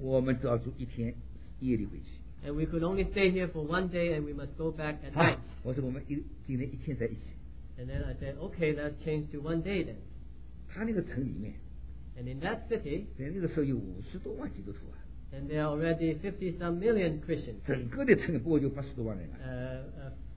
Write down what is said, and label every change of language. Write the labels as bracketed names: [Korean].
[Chinese] 我们只要住一天夜里回去 [English] and we could only stay here for one day and we must go back at night [Chinese] 我说我们今天一天在一起 [English] and then I said okay let's change to one day then [Chinese] 他那个城里面 [English] And in that city, [Chinese] 在那个时候有五十多万基督徒啊 [English] ，and there are already 50 some million Christians. [Chinese] 整个的城不过就八十多万人啊。